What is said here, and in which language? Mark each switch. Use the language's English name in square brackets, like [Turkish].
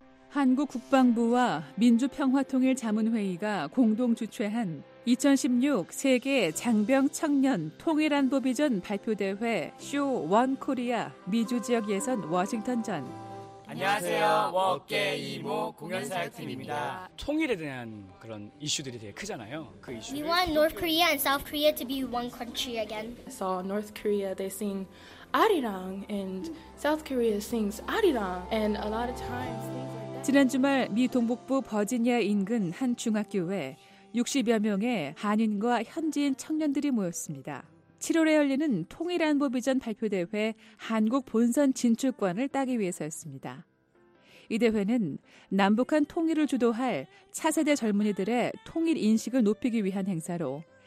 [Korean] 한국 국방부와 민주평화통일자문회의가 공동 주최한 2016 세계 장병 청년 통일안보 비전 발표대회 쇼 원 코리아 미주 지역 예선 워싱턴전. 안녕하세요. 워케 이모 공연사 팀입니다. 통일에 대한 그런 이슈들이 되게 크잖아요. 그 이슈. [English] We want North Korea and South Korea to be one country again. So North Korea they sing Arirang and South Korea sings Arirang and a lot of times. [Korean] 지난 주말 미 동북부 버지니아 인근 한 중학교에 60여 명의 한인과 현지인 청년들이 모였습니다. 7월에 열리는 통일안보비전 발표대회 한국 본선 진출권을 따기 위해서였습니다. 이 대회는 남북한 통일을 주도할 차세대 젊은이들의 통일 인식을 높이기 위한 행사로